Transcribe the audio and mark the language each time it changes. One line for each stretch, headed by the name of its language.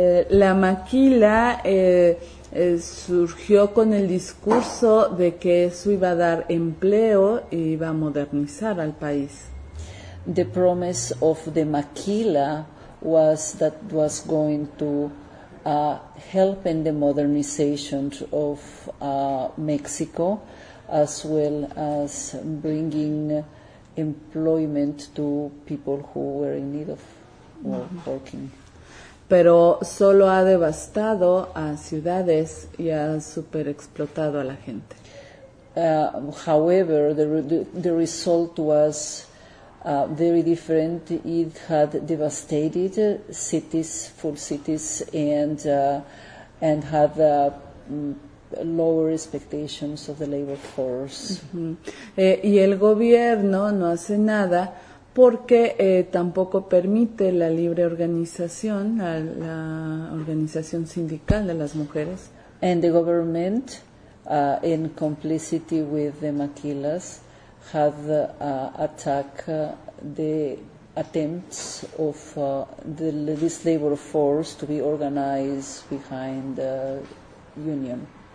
Spanish: La maquila surgió con el discurso de que eso iba a dar empleo y iba a modernizar al país.
English: The promise of the maquila was that it was going to help in the modernization of Mexico, as well as bringing employment to people who were in need of working.
Spanish: Pero solo ha devastado a ciudades y ha superexplotado a la gente.
English: However, the result was very different. It had devastated cities, full cities, and had lower expectations of the labor force.
Spanish: Y el gobierno no hace nada porque tampoco permite la libre organización, la organización sindical de las mujeres.
English: And the government, in complicity with the maquilas, had attacked the attempts of this labor force to be organized behind the union.